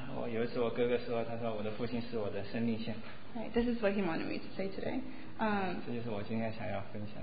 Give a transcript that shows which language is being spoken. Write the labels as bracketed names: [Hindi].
[Chinese] 有一次我哥哥说，他说我的父亲是我的生命线。 [English] Right, this is what he wanted me to say today. [Chinese] 这就是我今天想要分享。